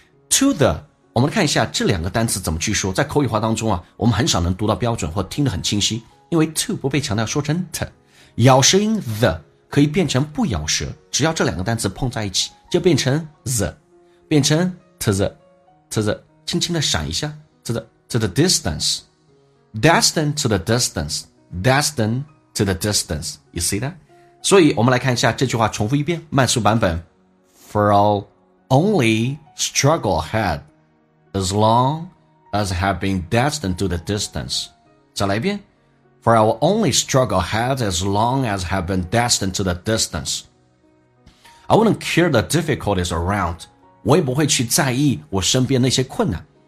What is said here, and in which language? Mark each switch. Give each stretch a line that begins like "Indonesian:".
Chinese: To the, 我们看一下这两个单词怎么去说，在口语化当中啊，我们很少能读到标准或听得很清晰，因为 to 不被强调说成 t, 咬舌音 the 可以变成不咬舌，只要这两个单词碰在一起，就变成 the, 变成 to the, 轻轻的闪一下
English: to the distance. Destined to the distance, destined to the distance. You see that?
Chinese: 所以我们来看一下这句话重复一遍慢速版本。
English: For I'll only struggle ahead as long as I have been destined to the distance.
Chinese: 再来一遍。
English: For I'll only struggle ahead as long as I have been destined to the distance. I wouldn't care the difficulties around.
Chinese: 我也不会去在意我身边那些困难。